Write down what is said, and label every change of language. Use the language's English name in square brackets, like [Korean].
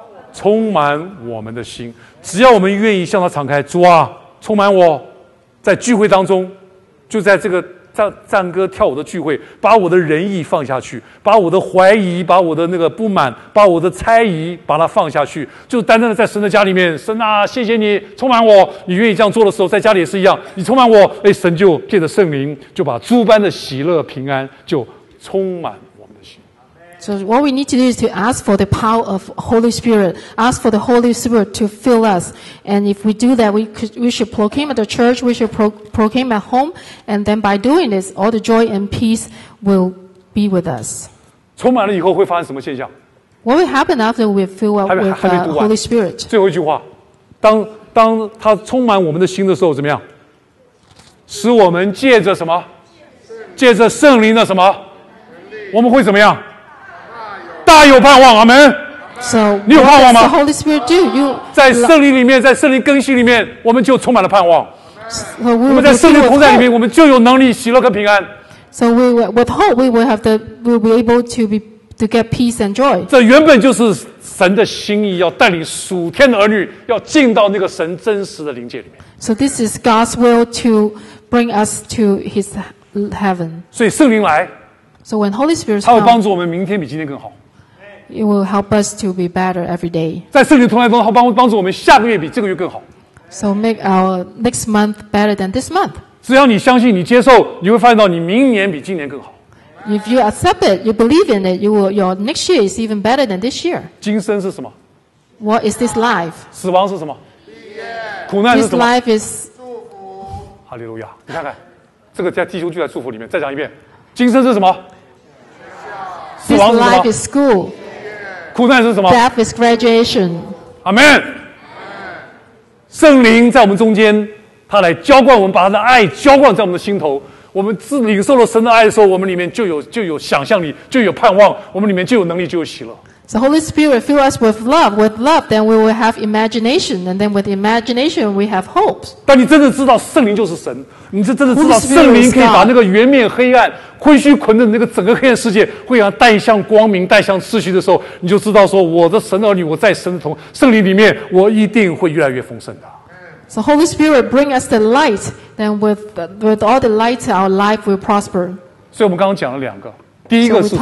[Chinese] 充满我们的心。只要我们愿意向他敞开，主啊，充满我，在聚会当中，就在这个赞歌跳舞的聚会，把我的仁义放下去，把我的怀疑、把我的那个不满、把我的猜疑，把它放下去，就单单的在神的家里面，神啊，谢谢你充满我。你愿意这样做的时候，在家里也是一样，你充满我，哎，神就借着圣灵，就把诸般的喜乐、平安就充满我们的心。 [English] So what we need to do is to ask for the power of Holy Spirit, ask for the Holy Spirit to fill us, and if we do that, we should proclaim at the church, we should proclaim at home, and then by doing this, all the joy and peace will be with us. [Chinese] 充满了以后会发生什么现象？ [English] What will happen after we fill up with the Holy Spirit? [Chinese] 最后一句话，当他充满我们的心的时候，怎么样？使我们借着什么？借着圣灵的什么？我们会怎么样？大有盼望，阿门。 [English] So, [Chinese] 你有盼望吗？ [English] What does the Holy Spirit do? You [Chinese] 在圣灵里面，在圣灵更新里面，我们就充满了盼望。 [English] So, we [Chinese] 我们在圣灵同在里面，我们就有能力喜乐跟平安。 [English] So we with hope we will have the we'll be able to be to get peace and joy. [Chinese] 这原本就是神的心意，要带领属天的儿女要进到那个神真实的灵界里面。 [English] So this is God's will to bring us to His heaven. [Chinese] 所以圣灵来。 [English] So when Holy Spirit comes, [Chinese] 他会帮助我们明天比今天更好。 [English] It will help us to be better every day. [Chinese] 在圣灵同在中，他帮助我们下个月比这个月更好。 [English] So make our next month better than this month. [Chinese] 只要你相信，你接受，你会发现到你明年比今年更好。 [English] If you accept it, you believe in it, your next year is even better than this year. [Chinese] 今生是什么？ [English] What is this life? [Chinese] 死亡是什么？苦难是什么？ [English] This life is [Chinese] 祝福。哈利路亚！你看看，这个在弟兄聚在祝福里面。再讲一遍，今生是什么？死亡是什么？ [English] This life is school. [Chinese] 苦难是什么？ [English] Death is graduation. Amen. [Chinese] 圣灵在我们中间，他来浇灌我们，把他的爱浇灌在我们的心头。我们自领受了神的爱的时候，我们里面就有想象力，就有盼望，我们里面就有能力，就有喜乐。 [English] The Holy Spirit fill us with love. With love, then we will have imagination, and then with imagination, we have hope. [Chinese] 但你真的知道圣灵就是神，你是真的知道圣灵可以把那个圆面黑暗、灰虚捆着那个整个黑暗世界，会让带向光明、带向秩序的时候，你就知道说，我的神儿女，我在神的同圣灵里面，我一定会越来越丰盛的。 [English] So Holy Spirit bring us the light. Then with all the light, our life will prosper. [Chinese] 所以我们刚刚讲了两个，第一个是什么？